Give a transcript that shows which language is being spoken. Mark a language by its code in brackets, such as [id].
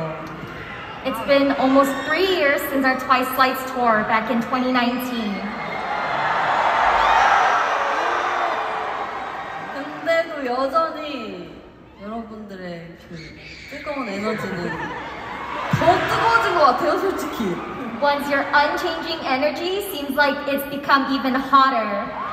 [en] 3 years since our Twice Lights tour back in 2019. [ko] 근데도 여전히 여러분들의 그 뜨거운 에너지는 더 뜨거워진 것 같아요, 솔직히. [en] Once your unchanging energy seems like it's become even hotter.